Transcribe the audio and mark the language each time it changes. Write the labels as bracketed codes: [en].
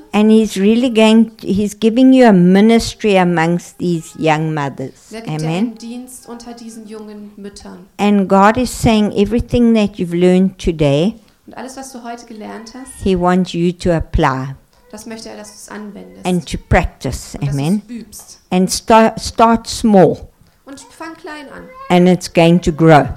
[en] And he's giving you a ministry amongst these young mothers. Amen. [de] Er gibt dir einen Dienst unter diesen jungen Müttern. [en] And God is saying everything that you've learned today. [de] Und alles, was du heute gelernt hast. [en] He wants you to apply. [de] Das möchte er, dass du es anwendest. [en] And to practice. Amen. [de] Dass du's übst. [en] And start small. [de] Und fang klein an. [en] And it's going to grow.